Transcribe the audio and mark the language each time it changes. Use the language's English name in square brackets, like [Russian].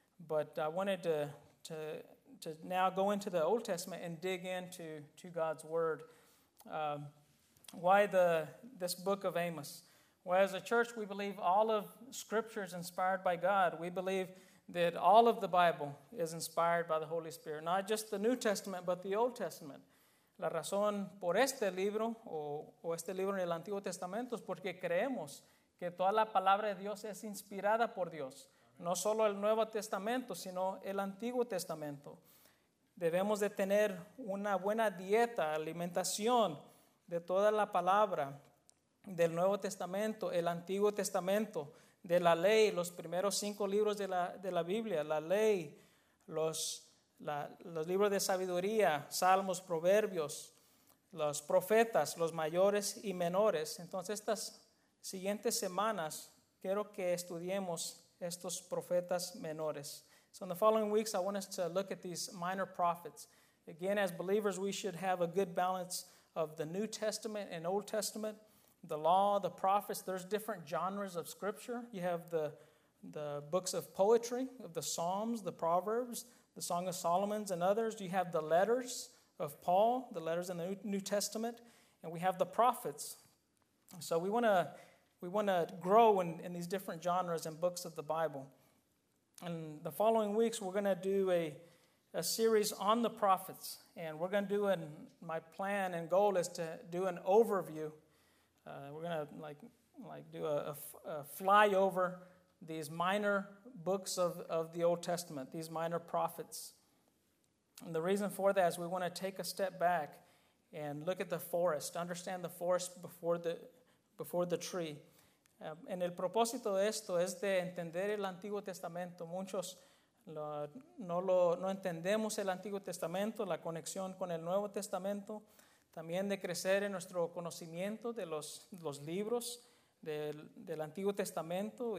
[English] But I wanted to now go into the Old Testament and dig into to God's Word. Why this book of Amos? Well, as a church, we believe all of Scripture is inspired by God. We believe that all of the Bible is inspired by the Holy Spirit, not just the New Testament, but the Old Testament. [Spanish] La razón por este libro, o este libro en el Antiguo Testamento, es porque creemos que toda la palabra de Dios es inspirada por Dios. No solo el Nuevo Testamento, sino el Antiguo Testamento. Debemos de tener una buena dieta, alimentación de toda la palabra del Nuevo Testamento, el Antiguo Testamento, de la ley, los primeros cinco libros de la Biblia, la ley, los libros de sabiduría, salmos, proverbios, los profetas, los mayores y menores. Entonces, estas siguientes semanas, quiero que estudiemos estos profetas menores. [English] So in the following weeks, I want us to look at these minor prophets. Again, as believers, we should have a good balance of the New Testament and Old Testament, the law, the prophets. There's different genres of scripture. You have the books of poetry, of the Psalms, the Proverbs, the Song of Solomon's and others. You have the letters of Paul, the letters in the New Testament, and we have the prophets. So we want to grow in these different genres and books of the Bible. And the following weeks, we're going to do a series on the prophets. And we're going to do, my plan and goal is to do an overview. We're going to like do a flyover these minor books of the Old Testament, these minor prophets. And the reason for that is we want to take a step back and look at the forest, understand the forest before the tree. [Spanish] En el propósito de esto es de entender el Antiguo Testamento. Muchos no entendemos el Antiguo Testamento, la conexión con el Nuevo Testamento. También de crecer en nuestro conocimiento de los libros del Antiguo Testamento.